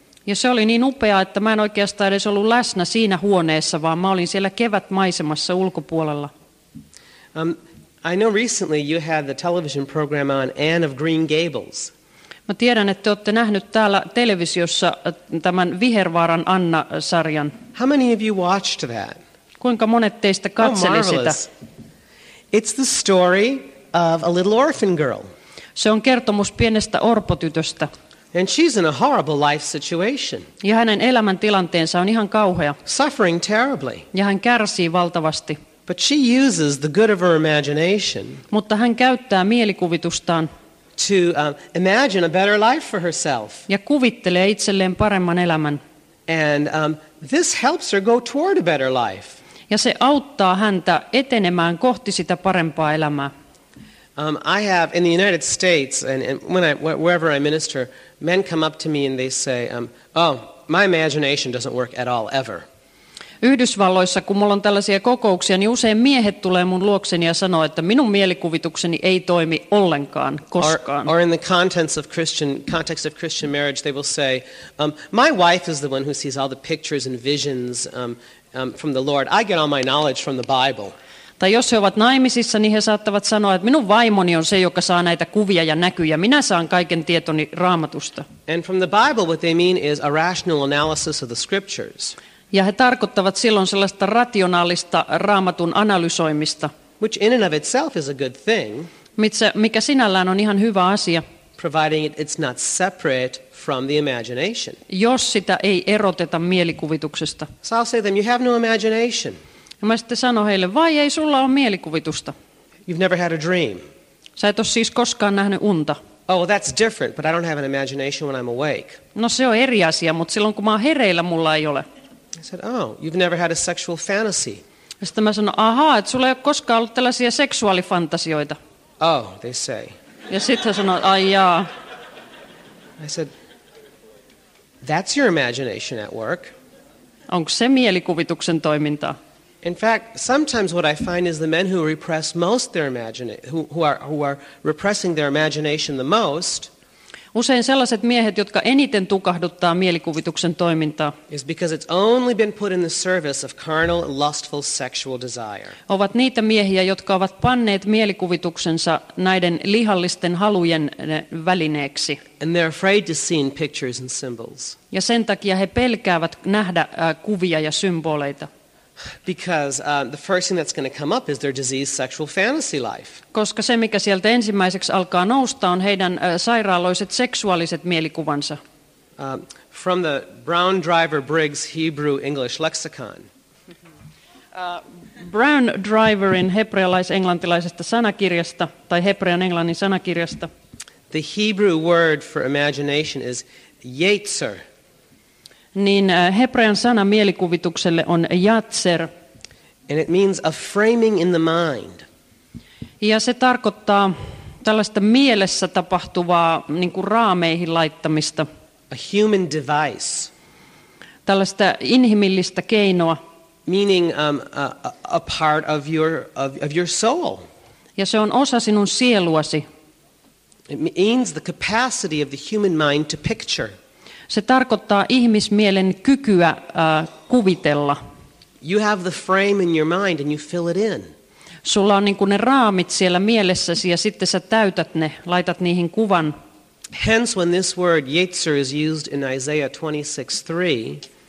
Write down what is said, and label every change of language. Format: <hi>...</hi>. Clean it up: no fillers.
<fi>Ja se oli niin upeaa, että mä en oikeastaan edes ollut läsnä siinä huoneessa, vaan mä olin siellä kevätmaisemassa ulkopuolella.</fi> <en>I know recently you had the television program on Anne of Green Gables.</en> <fi>Mä tiedän, että te olette nähnyt täällä televisiossa tämän Vihervaaran Anna-sarjan.</fi> <en>How many of you watched that?</en> <fi>Kuinka monet teistä katseli sitä?</fi> <en>It's the story of a little orphan girl.</en> <fi>Se on kertomus pienestä orpotytöstä.</fi> <en>And she's in a horrible life situation.</en> <fi>Ja hänen elämäntilanteensa on ihan kauhea.</fi> <en>Suffering terribly.</en> <fi>Ja hän kärsii valtavasti.</fi> <en>But she uses the good of her imagination.</en> <fi>Mutta hän käyttää mielikuvitustaan.</fi> <en>To imagine a better life for herself.</en> <fi>Ja kuvittelee itselleen paremman elämän.</fi> <en>And this helps her go toward a better life.</en> <fi>Ja se auttaa häntä etenemään kohti sitä parempaa elämää.</fi> <en>I have in the United States, and when I wherever I minister, men come up to me and they say, "Oh, my imagination doesn't work at all, ever."</en> <fi>Yhdysvalloissa, kun mulla on tällaisia kokouksia, niin usein miehet tulee mun luokseni ja sanoo, että minun mielikuvitukseni ei toimi ollenkaan koskaan.</fi> <en>Or in the context of Christian marriage, they will say, my wife is the one who sees all the pictures and visions from the Lord. I get all my knowledge from the Bible.</en> <fi>Tai jos he ovat naimisissa, niin he saattavat sanoa, että minun vaimoni on se, joka saa näitä kuvia ja näkyjä. Minä saan kaiken tietoni Raamatusta.</fi> <en>And from the Bible, what they mean is a rational analysis of the scriptures.</en> <fi>Ja he tarkoittavat silloin sellaista rationaalista Raamatun analysoimista.</fi> <en>Which in and of itself is a good thing.</en> <fi>Mikä sinällään on ihan hyvä asia.</fi> <en>Providing it's not separate from the imagination.</en> <fi>Jos sitä ei eroteta mielikuvituksesta.</fi> <en>So I'll say them, you have no imagination.</en> <fi>Ja mä sitten sanon heille, vai ei sulla ole mielikuvitusta?</fi> <en>You've never had a dream.</en> <fi>Sä et ole siis koskaan nähnyt unta.</fi> <en>Oh, well, that's different, but I don't have an imagination when I'm awake.</en> <fi>No se on eri asia, mutta silloin kun mä oon hereillä, mulla ei ole.</fi> <en>I said, oh, you've never had a sexual fantasy.</en> <fi>Ja sitten mä sanon, ahaa, että sulla ei ole koskaan ollut tällaisia seksuaalifantasioita.</fi> <en>Oh, they say.</en> <fi>Ja sitten hän sanoo, ai jaa.</fi> <en>I said, that's your imagination at work.</en> <fi>Onko se mielikuvituksen toimintaa?</fi> <en>In fact, sometimes what I find is the men who repress most their who are repressing their imagination the most.</en> <fi>Usein sellaiset miehet, jotka eniten tukahduttaa mielikuvituksen toimintaa.</fi> <en>Is because it's only been put in the service of carnal, lustful, sexual desire.</en> <fi>Ovat niitä miehiä, jotka ovat panneet mielikuvituksensa näiden lihallisten halujen välineeksi.</fi> <en>And they're afraid to see pictures and symbols.</en> <fi>Ja sen takia he pelkäävät nähdä kuvia ja symboleita.</fi> <en>Because the first thing that's going to come up is their diseased sexual fantasy life.</en> <fi>Koska se mikä sieltä ensimmäiseksi alkaa nousta on heidän sairaaloiset seksuaaliset mielikuvansa.</fi> <en>From the Brown Driver Briggs Hebrew English Lexicon.</en> <fi>Brown Driverin hebrealais-englantilaisesta sanakirjasta tai hebrean englannin sanakirjasta.</fi> <en>The Hebrew word for imagination is yetzer.</en> <fi>Niin hebrean sana mielikuvitukselle on yatzer.</fi> <en>And it means a framing in the mind.</en> <fi>Ja se tarkoittaa tällaista mielessä tapahtuvaa niin kuin raameihin laittamista.</fi> <en>A human device.</en> <fi>Tällaista inhimillistä keinoa.</fi> <en>Meaning a part of your soul.</en> <fi>Ja se on osa sinun sieluasi.</fi> <en>It means the capacity of the human mind to picture.</en> <fi>Se tarkoittaa ihmismielen kykyä kuvitella.</fi> <en>You have the frame in your mind and you fill it in.</en> <fi>Sulla on niin kuin ne raamit siellä mielessäsi ja sitten sä täytät ne, laitat niihin kuvan.</fi> <en>Hence when this word yetzer is used in Isaiah 26:3.</en>